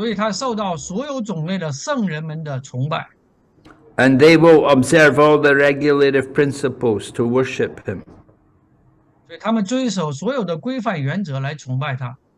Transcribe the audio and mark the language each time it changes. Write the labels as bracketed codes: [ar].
[zh] 所以他受到所有种类的圣人们的崇拜。 [en] And they will observe all the regulative principles to worship him. [zh] 所以他们遵守所有的规范原则来崇拜他。